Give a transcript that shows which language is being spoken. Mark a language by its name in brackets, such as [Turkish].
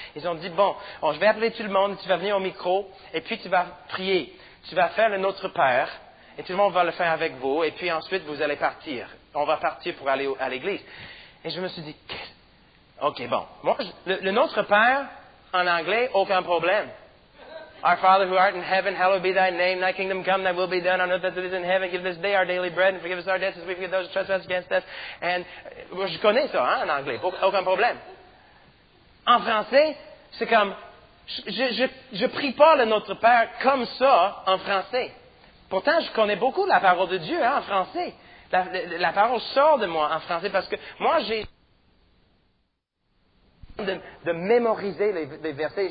[French] Ils ont dit, « Bon, je vais appeler tout le monde, tu vas venir au micro, et puis tu vas prier. Tu vas faire le Notre Père, et tout le monde va le faire avec vous, et puis ensuite, vous allez partir. » On va partir pour aller à l'église. Et je me suis dit, OK, bon. Moi, le Notre Père, en anglais, aucun problème. [English] Our Father who art in heaven, hallowed be thy name. Thy kingdom come, thy will be done on earth as it is in heaven. Give this day our daily bread and forgive us our debts as we forgive those who trespass against us. [French] And je connais ça, hein, en anglais. Aucun problème. En français, c'est comme, je prie pas le Notre Père comme ça en français. Pourtant, je connais beaucoup la parole de Dieu, hein, en français. La parole sort de moi en français parce que moi, j'ai de mémoriser les versets.